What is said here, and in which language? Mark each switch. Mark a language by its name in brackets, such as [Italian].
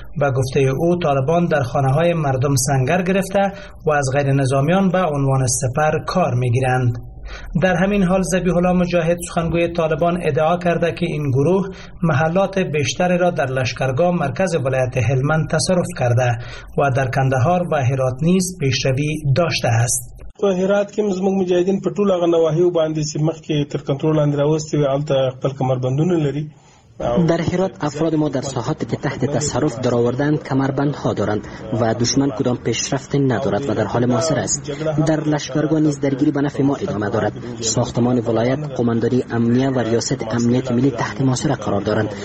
[Persian] به گفته او، طالبان در خانه های مردم سنگر گرفته و از غیر نظامیان به عنوان سپر کار می گیرند. در همین حال ذبیح الله مجاهد، سخنگوی طالبان، ادعا کرده که این گروه محلات بیشتری را در لشکرگاه مرکز ولایت هلمند تصرف کرده و در کندهار و هرات نیز پیشروی داشته است. [Pashto] په هرات کې زموږ مجاهدین په ټولو هغه نواحیو باندې چې مخکې تر کنټرول لاندې راوستي وي هلته خپل کمربندونه لري. [Persian] در هرات افراد ما در ساحات که تحت تصرف درآوردند کمربندها دارند و دشمن کدام پیشرفت ندارد و در حال محاصر است. در لشکرگاه نیز درگیری به نفع ما ادامه دارد. ساختمان ولایت، قمانداری امنیه و ریاست امنیت ملی تحت محاصره قرار دارند.